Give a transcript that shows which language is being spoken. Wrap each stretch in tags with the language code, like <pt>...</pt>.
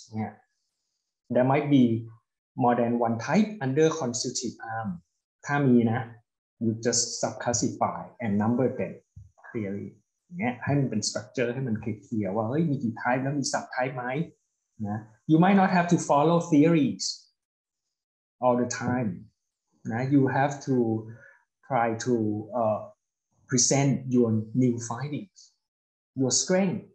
<en>Yeah, there might be more than one type under constitutive harm.</en> <th>ถ้ามีนะ</th> <en>you just subclassify and number them clearly.</en> <th>Yeah, ให้มันเป็น structure ให้มันเคลียร์ว่าเฮ้ยมีกี่ type แล้วมี subtype ไหมนะ</th> <en>You might not have to follow theories all the time. นะ You have to try to present your new findings, your strength.</en>